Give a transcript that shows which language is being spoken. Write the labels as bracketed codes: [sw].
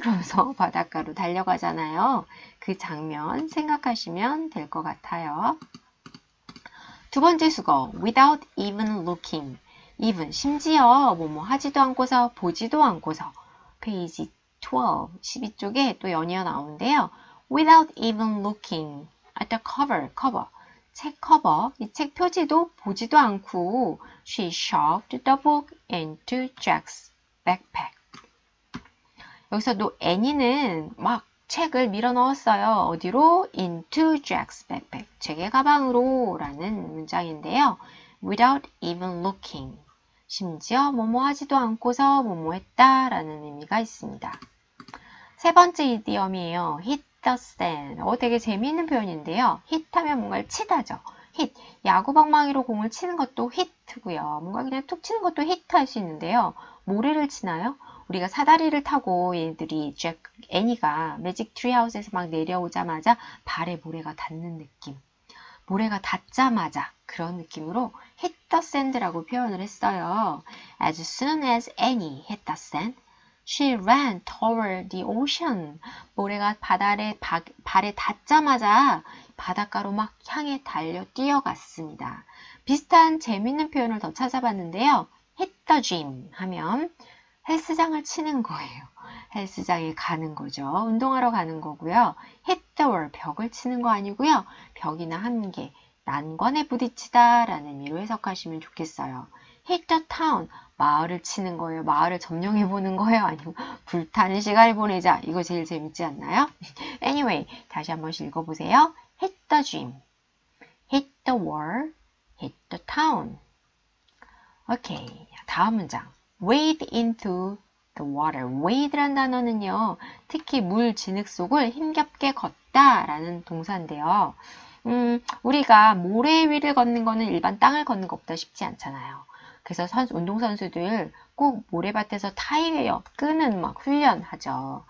[ko] 그러면서 바닷가로 달려가잖아요. 그 장면 생각하시면 될 것 같아요. 두 번째 수거, [en] without even looking. [ko] even, 심지어 뭐뭐 하지도 않고서 보지도 않고서 페이지 12, 12쪽에 또 연이어 나오는데요. [en] without even looking at the cover, [ko] 커버, 책 커버, 이 책 표지도 보지도 않고 [en] she shoved the book into Jack's backpack. [ko] 여기서 또 애니는 막 책을 밀어 넣었어요. 어디로? [en] into Jack's backpack, [ko] 제게 가방으로 라는 문장인데요. [en] without even looking, [ko] 심지어 뭐뭐 하지도 않고서 뭐뭐 했다 라는 의미가 있습니다. 세 번째 이디엄이에요. [en] hit the sand. [ko] 되게 재미있는 표현인데요. hit 하면 뭔가를 치다죠. hit, 야구방망이로 공을 치는 것도 hit고요. 뭔가 그냥 툭 치는 것도 hit 할 수 있는데요. 모래를 치나요? 우리가 사다리를 타고 얘들이 잭, 애니가 매직 트리하우스에서 막 내려오자마자 발에 모래가 닿는 느낌. 모래가 닿자마자 그런 느낌으로 [en] hit the sand [ko] 라고 표현을 했어요. [en] As soon as Annie hit the sand, she ran toward the ocean. [ko] 모래가 발에 닿자마자 바닷가로 막 향해 달려 뛰어갔습니다. 비슷한 재미있는 표현을 더 찾아봤는데요. [en] hit the gym [ko] 하면 헬스장을 치는 거예요. 헬스장에 가는 거죠. 운동하러 가는 거고요. [en] hit the wall, [ko] 벽을 치는 거 아니고요. 벽이나 한계, 난관에 부딪히다 라는 의미로 해석하시면 좋겠어요. [en] hit the town, [ko] 마을을 치는 거예요. 마을을 점령해 보는 거예요. 아니면 불타는 시간을 보내자. 이거 제일 재밌지 않나요? anyway, 다시 한번 읽어보세요. [en] hit the gym, hit the wall, hit the town. okay, [ko] 다음 문장. [en] wade into the water. [ko] wade란 단어는요, 특히 물 진흙 속을 힘겹게 걷다 라는 동사인데요. 우리가 모래 위를 걷는 거는 일반 땅을 걷는 것보다 쉽지 않잖아요. 그래서 운동선수들 꼭 모래밭에서 타이어 끄는 막 훈련하죠.